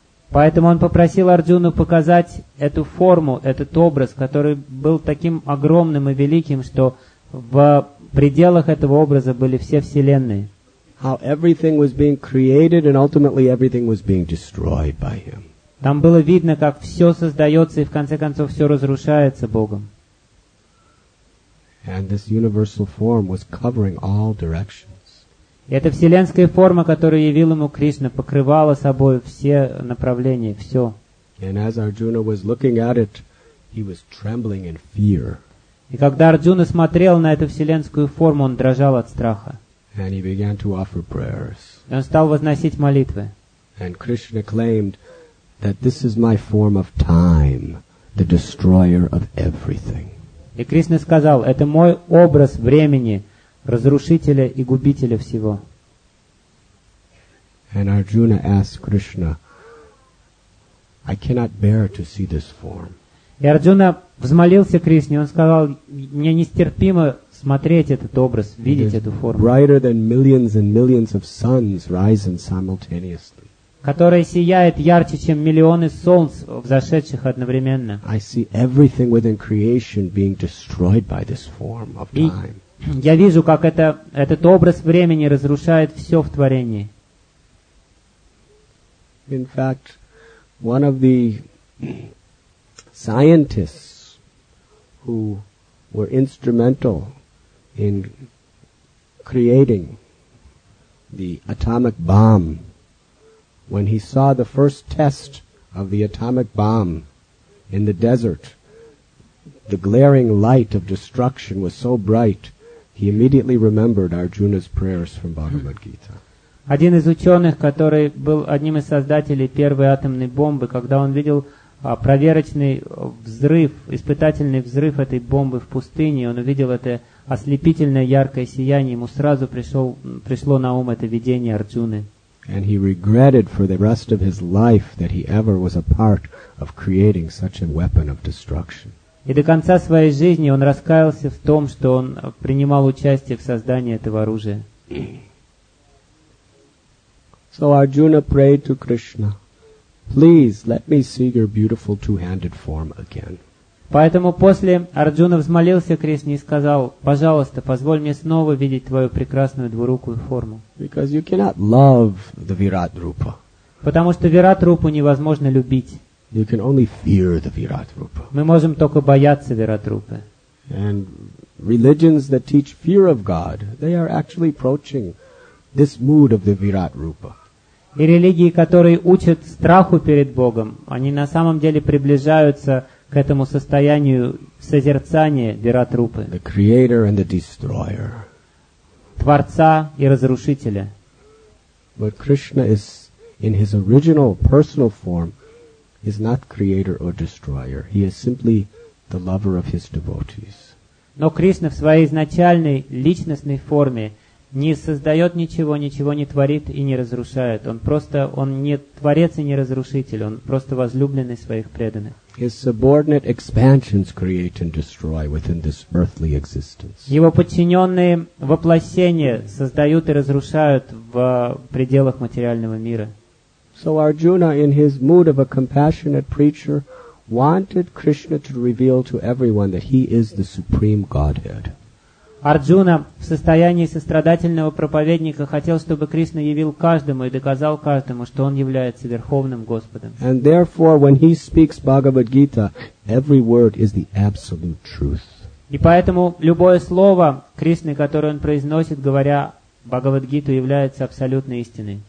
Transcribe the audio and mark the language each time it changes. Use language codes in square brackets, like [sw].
[ru] Поэтому он попросил Арджуну показать эту форму, этот образ, который был таким огромным и великим, что в пределах этого образа были все вселенные. [en] How everything was being created and ultimately everything was being destroyed by him. [ru] Там было видно, как все создается и в конце концов все разрушается Богом. [en] And this universal form was covering all directions. [ru] И эта вселенская форма, которую явил ему Кришна, покрывала собой все направления, все. [en] And as Arjuna was looking at it, he was trembling in fear. [ru] И когда Арджуна смотрел на эту вселенскую форму, он дрожал от страха. [en] And he began to offer prayers. [ru] И он стал возносить молитвы. [en] And Krishna claimed that this is my form of time, the destroyer of everything. [ru] И Кришна сказал, это мой образ времени, разрушителя и губителя всего. [en] And Arjuna asked Krishna, I cannot bear to see this form. [ru] И Арджуна взмолился Кришне, он сказал, мне нестерпимо смотреть этот образ, видеть эту форму. [en] Brighter than millions and millions of suns rising simultaneously. [ru] Которая сияет ярче, чем миллионы солнц, взошедших одновременно. [en] I see everything within creation being destroyed by this form of time. [ru] Я вижу, как этот образ времени разрушает все в творении. [en] In fact, one of the scientists who were instrumental in creating the atomic bomb, when he saw the first test of the atomic bomb in the desert, the glaring light of destruction was so bright, he immediately remembered Arjuna's prayers from Bhagavad Gita. [ru] Один из ученых, который был одним из создателей первой атомной бомбы, когда он видел проверочный взрыв, испытательный взрыв этой бомбы в пустыне, он увидел это ослепительное яркое сияние, ему сразу пришло на ум это видение Арджуны. [en] And he regretted for the rest of his life that he ever was a part of creating such a weapon of destruction. [ru] И до конца своей жизни он раскаялся в том, что он принимал участие в создании этого оружия. [en] So Arjuna prayed to Krishna, please let me see your beautiful two-handed form again. [ru] Поэтому после Арджуна взмолился Кришне и сказал, пожалуйста, позволь мне снова видеть твою прекрасную двурукую форму. [en] Because you cannot love the Virat Rupa. [ru] Потому что Virat Rupa невозможно любить. [en] You can only fear the Virat Rupa. [ru] Мы можем только бояться Virat Rupa. [en] And religions that teach fear of God, they are actually approaching this mood of the Virat Rupa. [ru] И религии, которые учат страху перед Богом, они на самом деле приближаются к этому состоянию созерцания Virat Rupa. [en] The creator and the destroyer. [ru] Творца и разрушителя. [en] But Krishna is in his original personal form is not creator or destroyer. He is simply the lover of his devotees. [ru] Но Кришна в своей изначальной личностной форме не создает ничего, ничего не творит и не разрушает. Он не творец и не разрушитель, он просто возлюбленный своих преданных. [en] His subordinate expansions create and destroy within this earthly existence. [ru] Его подчиненные воплощения создают и разрушают в пределах материального мира. [en] So Arjuna, in his mood of a compassionate preacher, wanted Krishna to reveal to everyone that he is the supreme Godhead. [ru] Арджуна в состоянии сострадательного проповедника хотел, чтобы Кришна явил каждому и доказал каждому, что он является Верховным Господом. [en] And therefore, when he speaks Bhagavad Gita, every word is the absolute truth. [ru] И поэтому любое слово Кришны, которое он произносит, говоря Бхагавад Гиту, является абсолютной истиной.